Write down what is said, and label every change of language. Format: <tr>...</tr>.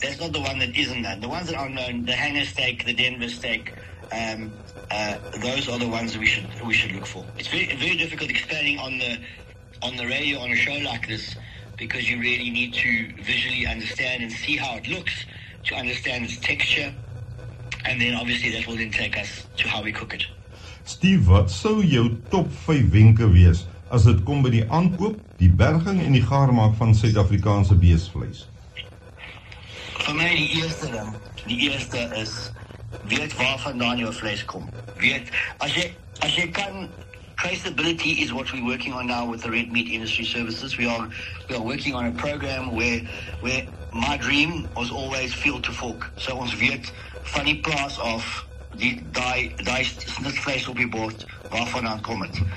<en>That's not the one that isn't that. The ones that are known, the hanger steak, the Denver steak, those are the ones we should look for. It's very, very difficult explaining on the radio on a show like this, because you really need to visually understand and see how it looks to understand its texture. And then obviously that will then take us to how we cook it.</en> <af>Steve, wat sou jou top 5 wenke wees as dit kom by die aankoop, die berging en die gaarmaak van Suid-Afrikaanse beesvleis? Vir my die eerste is, weet waar vandaan jou vleis kom. Weet, as jy kan,</af> <en>traceability is what we're working on now with the Red Meat Industry Services. We are working on a program where my dream was always field to fork.</en> <af>So ons weet van die plaas af, die snitvleis op die bord, waar vandaan kom het.</af>